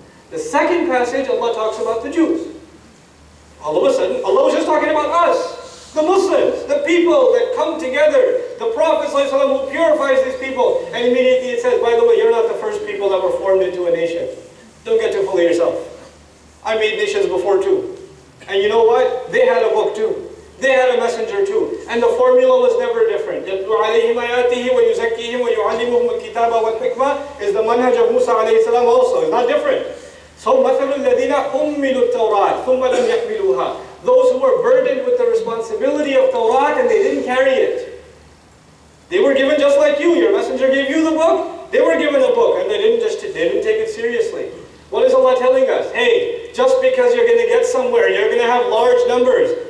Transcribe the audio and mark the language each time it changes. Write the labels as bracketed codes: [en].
[en] The second passage, Allah talks about the Jews. All of a sudden, Allah was just talking about us, the Muslims, the people that come together. The Prophet ﷺ who purifies these people. And immediately it says, by the way, you're not the first people that were formed into a nation. Don't get too full of yourself. I made nations before too. And you know what? They had a book too. They had a messenger too. And the formula was never different. [ar] يَتْلُوا عَلَيْهِمْ آيَاتِهِ وَيُزَكِّيهِمْ وَيُعَلِّمُهُمُ الْكِتَابَ وَالْحِكْمَةِ [en] is the manhaj of Musa عليه السلام also. It's not different. So [ar] مَثَلُ الَّذِينَ أُمِّلُوا التَّوْرَاةِ ثُمَّ لَمْ يَحْمِلُوهَا. [en] Those who were burdened with the responsibility of Torah and they didn't carry it. They were given just like you. Your messenger gave you the book. They were given the book and they didn't take it seriously. What is Allah telling us? Hey, just because you're going to get somewhere, you're going to have large numbers.